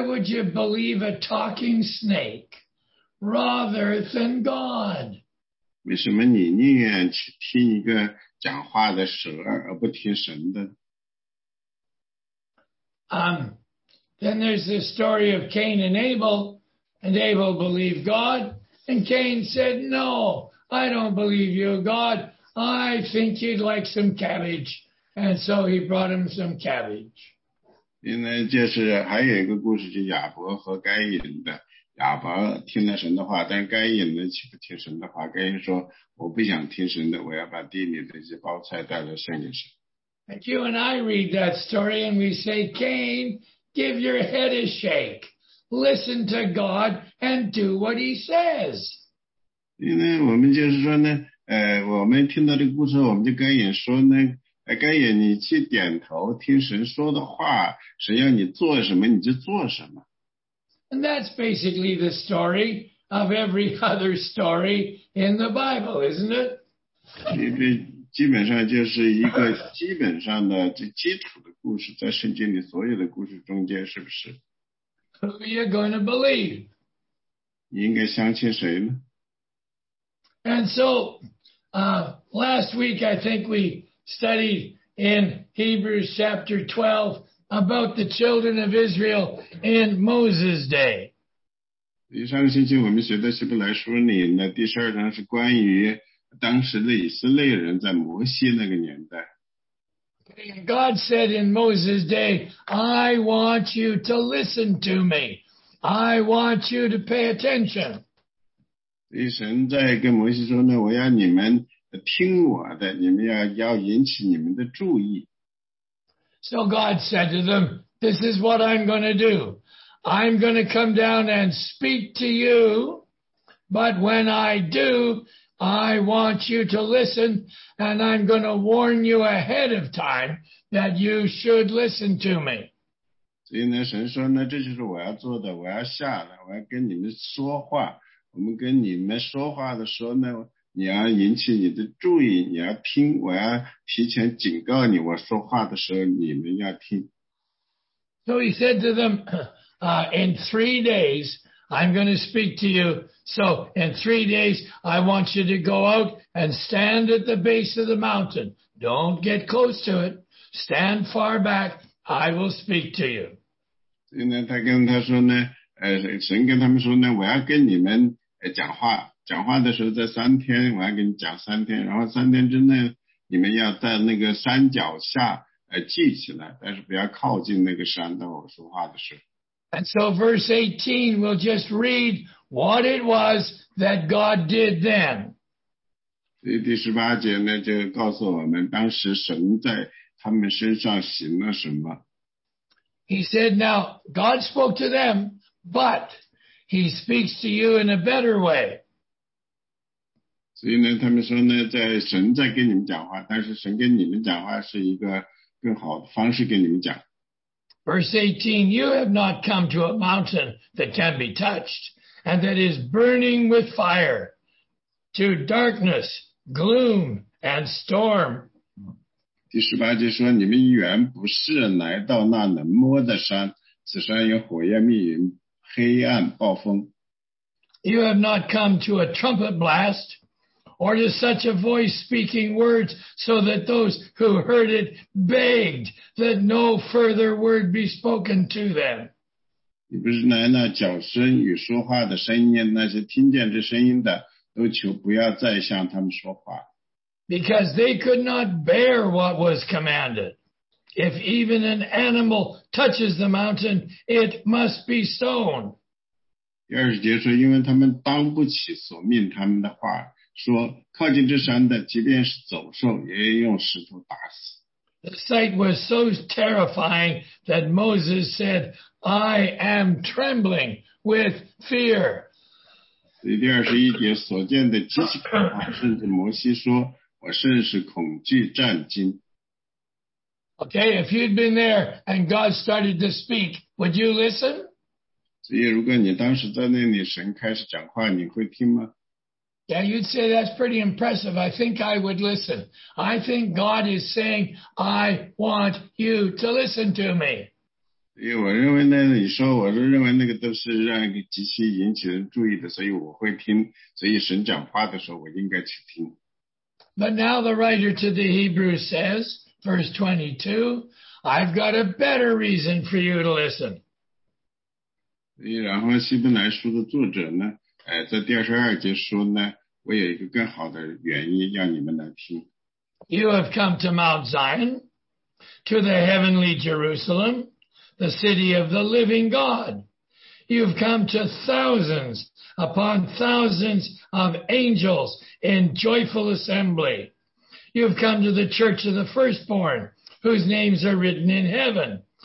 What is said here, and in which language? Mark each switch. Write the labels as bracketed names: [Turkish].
[English] would you believe a talking snake rather than God? [Chinese] 为什么你宁愿去听一个讲话的蛇，而不听神的？ [English] Then there's the story of Cain and Abel. And Abel believed God, and Cain said, no, I don't believe you, God. I think you'd like some cabbage. And so he brought him some cabbage. [Chinese] 因为就是还有一个故事，就亚伯和该隐的。亚伯听了神的话，但是该隐呢，岂不听神的话？该隐说：“我不想听神的，我要把地里的一些包菜带来献给神。” [English] And you and I read that story, and we say, "Cain, give your head a shake. Listen to God and do what He says." [Chinese] 因为我们就是说呢，我们听到这个故事，我们就该隐说呢。该隐，你去点头听神说的话，神要你做什么你就做什么。 [English] And that's basically the story of every other story in the Bible, isn't it? [Chinese] 基本上就是一个基本上的基础的故事，在圣经里所有的故事中间，是不是？ [English] Who are you going to believe? [Chinese] 你应该相信谁呢？ [English] And so, last week I think we studied in Hebrews chapter 12 about the children of Israel in Moses' day. [Chinese] 上个星期我们学的希伯来书里呢，第十二章是关于当时的以色列人在摩西那个年代。 [English] God said in Moses' day, I want you to listen to me. I want you to pay attention. [Chinese] 所以神在跟摩西说呢，我要你们听我的，你们要引起你们的注意。 [English] So God said to them, this is what I'm going to do. I'm going to come down and speak to you, but when I do, I want you to listen, and I'm going to warn you ahead of time that you should listen to me. [Chinese] 所以呢，神说呢，这就是我要做的，我要下来，我要跟你们说话。我们跟你们说话的时候呢，你要引起你的注意，你要听，我要提前警告你，我说话的时候你们要听。 [English] So he said to them, in 3 days, I'm going to speak to you. So in 3 days, I want you to go out and stand at the base of the mountain. Don't get close to it. Stand far back. I will speak to you. [Chinese] 所以呢，他跟他说呢，神跟他们说呢，我要跟你们讲话。讲话的时候在三天，我要跟你讲三天，然后三天之内你们要在那个山脚下聚起来，但是不要靠近那个山的我说话的时候。 [English] And so verse 18, we'll just read what it was that God did then. [Chinese] 第十八节呢就告诉我们当时神在他们身上行了什么。 [English] He said, now God spoke to them, but he speaks to you in a better way. [Chinese] 所以呢，他们说呢，在神在跟你们讲话，但是神跟你们讲话是一个更好的方式跟你们讲。 [English] Verse 18, you have not come to a mountain that can be touched, and that is burning with fire, to darkness, gloom, and storm. [Chinese] 第十八节说，你们原不是来到那能摸的山，此山有火焰密云，黑暗暴风。 [English] You have not come to a trumpet blast, or to such a voice speaking words, so that those who heard it begged that no further word be spoken to them. [Chinese] 你不是来那脚声与说话的声音，那些听见这声音的，都求不要再向他们说话。 [English] Because they could not bear what was commanded. If even an animal touches the mountain, it must be stoned. [Chinese] 第二十节说，因为他们当不起所命他们的话。说靠近这山的，即便是走兽，也用石头打死。 [English] The sight was so terrifying that Moses said, "I am trembling with fear." [Chinese] 第二十一节所见的极其可怕，甚至摩西说：“我甚是恐惧战惊。” [English] Okay, if you'd been there and God started to speak, would you listen? [Chinese] 所以，如果你当时在那里，神开始讲话，你会听吗？ [English] Yeah, you'd say that's pretty impressive. I think I would listen. I think God is saying, I want you to listen to me. [Chinese] 所以我认为呢，你说，我是认为那个都是让极其引起人注意的，所以我会听。所以神讲话的时候，我应该去听。 [English] But now the writer to the Hebrews says, verse 22, I've got a better reason for you to listen. [Chinese] 所以然后希伯来书的作者呢，在第二十二节说呢，我有一个更好的原因让你们来听。 [English] You have come to Mount Zion, to the heavenly Jerusalem, the city of the living God. You've come to thousands upon thousands of angels in joyful assembly. You've come to the church of the firstborn, whose names are written in heaven.